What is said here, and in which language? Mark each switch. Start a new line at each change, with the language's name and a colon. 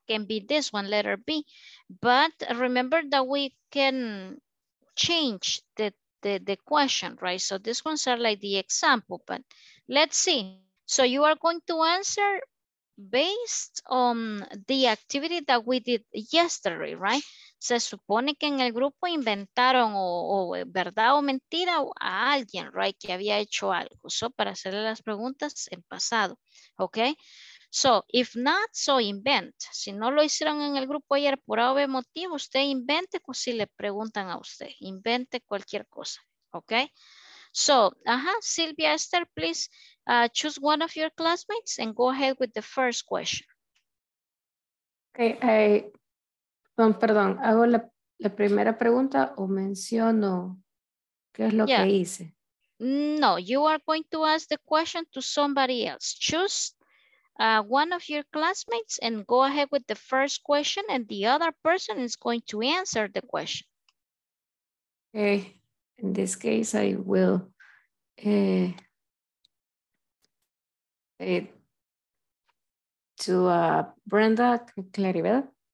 English: Can be this one, letter B. But remember that we can change the question, right? So these ones are like the example, but let's see. So you are going to answer based on the activity that we did yesterday, right?
Spanish: Se supone que en el grupo inventaron o verdad o mentira a alguien, right, que había hecho algo.
English: So,
Spanish: para hacerle las preguntas en pasado,
English: okay? So, if not, so invent.
Spanish: Si no lo hicieron en el grupo ayer por A o B motivo, usted invente, pues, si le preguntan a usted. Invente cualquier cosa, okay?
English: So, Silvia Esther, please choose one of your classmates and go ahead with the first question.
Spanish: Okay, perdón, ¿hago la primera pregunta o menciono qué es lo que hice?
English: No, you are going to ask the question to somebody else. Choose one of your classmates and go ahead with the first question and the other person is going to answer the question. Okay, in this case I will. To Brenda Claribel.